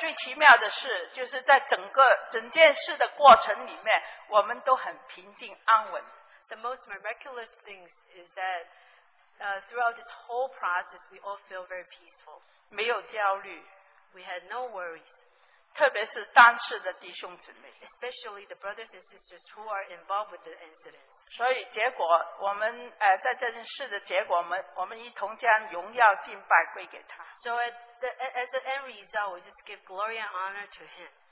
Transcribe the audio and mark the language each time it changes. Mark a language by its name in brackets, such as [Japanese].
[Chinese] 最奇妙的是，就是在整个整件事的过程里面，我们都很平静安稳。 [English] The most miraculous thing is that throughout this whole process, we all feel very peaceful. [Chinese] 没有焦虑。 [English] We had no worries. [Chinese] 特别是当事的弟兄姊妹。 [English] Especially the brothers and sisters who are involved with the incident. [Chinese] 所以结果，我们在这件事的结果，我们一同将荣耀敬拜归给他。 [English] So as the end result, we just give glory and honor to Him.